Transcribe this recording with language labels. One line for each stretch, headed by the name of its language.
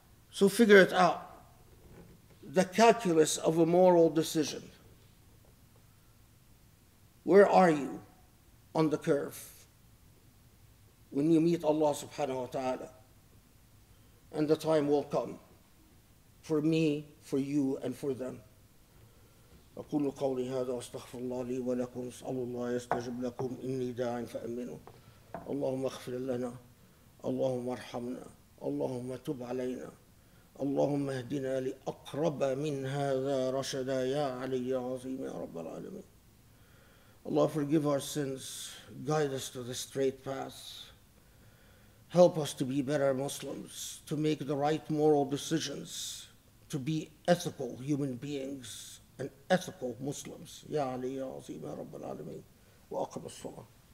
English: So figure it out. The calculus of a moral decision. Where are you on the curve when you meet Allah subhanahu wa ta'ala? And the time will come for me, for you, and for them.
Arabic: أقول قولي هذا واستغفر الله لي ولكم اسأل الله يستجب لكم إني داع فأمنوا اللهم اغفر لنا اللهم ارحمنا اللهم تب علينا اللهم اهدنا لأقرب من هذا رشدا يا علي عظيم يا رب العالمين.
English: Allah, forgive our sins, guide us to the straight path. Help us to be better Muslims, to make the right moral decisions, to be ethical human beings and ethical Muslims.
Arabic: يا علي يا عظيم يا رب العالمين وأقم الصلاة.